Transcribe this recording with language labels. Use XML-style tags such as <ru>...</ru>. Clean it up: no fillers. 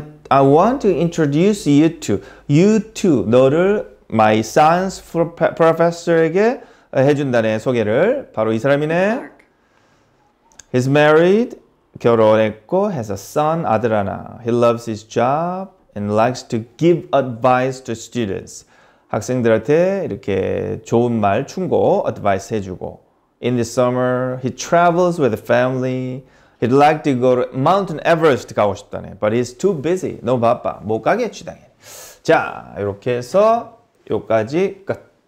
<en>I want to introduce you to</en> <ko>너를</ko> <en>my science professor에게</en> <ko>해준다네. 소개를 바로 이 사람이네.</ko> <en>He's married,</en> <ko>결혼했고,</ko> <en>has a son,</en> <ko>아들 하나.</ko> <en>He loves his job and likes to give advice to students.</en> <ko>학생들한테 이렇게 좋은 말 충고 advice 해주고.</ko> <en>In the summer, he travels with the family. He'd like to go to Mount Everest</en> <ko>가고 싶다네.</ko> <en>But he's too busy.</en> <ko>너무 바빠. 못 가겠지, 당연히. 자, 이렇게 해서 여기까지 끝.</ko>